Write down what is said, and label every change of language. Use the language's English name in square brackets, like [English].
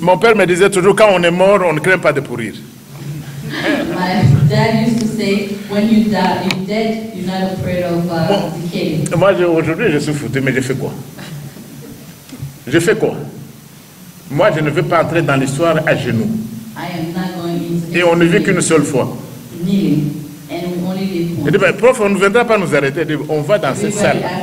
[French] Mon père me disait toujours, quand on est mort, on ne craint pas de pourrir. [English] My dad used to say, when you die, you're dead, you're not afraid of decay. [French] Moi, aujourd'hui, je suis foutu, mais je fais quoi? Je fais quoi? Moi, je ne veux pas entrer dans l'histoire à genoux. [English] I am not going into [French] et on ne vit qu'une seule fois. Et dit, ben, prof, on ne viendra pas nous arrêter. Dit, on va dans cette salle.